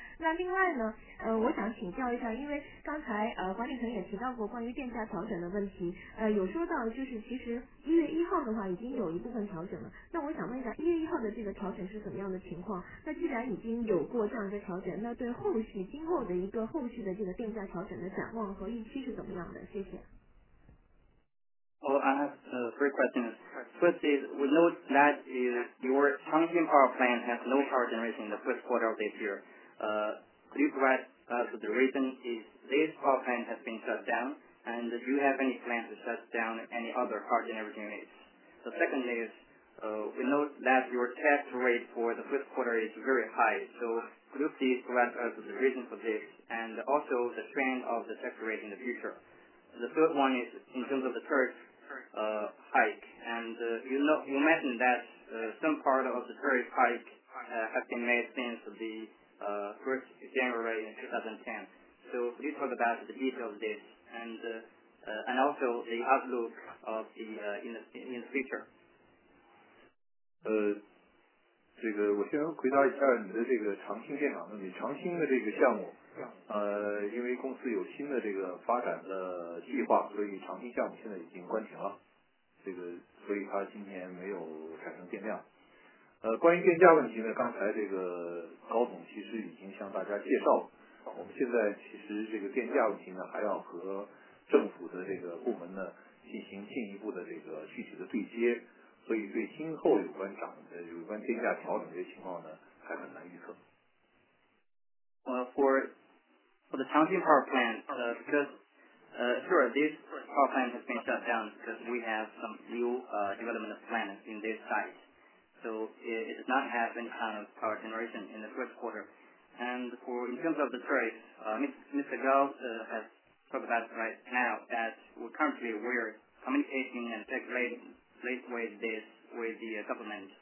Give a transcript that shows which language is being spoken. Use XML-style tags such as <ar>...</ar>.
<zh>那另外呢我想请教一下，因为刚才管理层也提到过关于电价调整的问题，有说到就是其实一月一号的话已经有一部分调整了，那我想问一下一月一号的这个调整是怎么样的情况，那既然已经有过这样一个调整，那对后续今后的一个后续的这个电价调整的展望和预期是怎么样的，谢谢。</zh> <en>Well, I have three questions. First is, we know that your Changjin power plant has no power generation in the first quarter of this year. Could you provide us with the reason is this power plant has been shut down, and do you have any plans to shut down any other power generation units? The second is, we know that your tax rate for the first quarter is very high, so could you please provide us with the reason for this, and also the trend of the tax rate in the future? The third one is in terms of the tariff hike, and you mentioned that some part of the tariff hike has been made since the 1st January 2010. So could you talk about the details of this and also the outlook of the in the future?</en> <zh>这个我先回答一下你的这个长青电厂问题。长青的这个项目，因为公司有新的这个发展的计划，所以长青项目现在已经关停了，这个所以它今年没有产生电量。关于电价问题呢，刚才这个高总其实已经向大家介绍了，我们现在其实这个电价问题呢还要和政府的这个部门呢进行进一步的这个具体的对接，所以对今后有关涨的有关电价调整这些情况呢还很难预测。</zh> <en>For the Changjin power plant, because this power plant has been shut down because we have some new development plans in this site. So it does not have any kind of power generation in the first quarter. And for in terms of the trade, Mr. Gao has talked about right now that we're currently aware communicating and late with this with the government.</en>